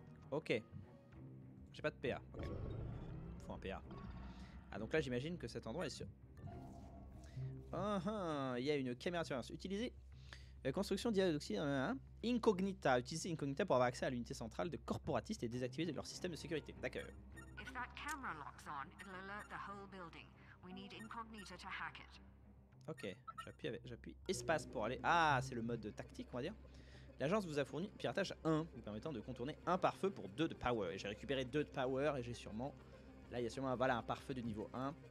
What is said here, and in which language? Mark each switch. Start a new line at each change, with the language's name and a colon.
French: Ok. J'ai pas de PA. Okay. Faut un PA. Ah, donc là, j'imagine que cet endroit est sûr. Il y a une caméra de surveillance. Utilisez la construction d'hydroxyde. Incognita. Utilisez Incognita pour avoir accès à l'unité centrale de corporatistes et désactiver leur système de sécurité. D'accord. Si cette caméra
English: locks on, it'll alert the whole building. We need Incognita to hack it.
French: Ok, j'appuie espace pour aller. Ah, c'est le mode tactique, on va dire. L'agence vous a fourni piratage 1, vous permettant de contourner un pare-feu pour 2 de power. Et j'ai récupéré 2 de power et j'ai sûrement. Là, il y a sûrement un pare-feu de niveau 1.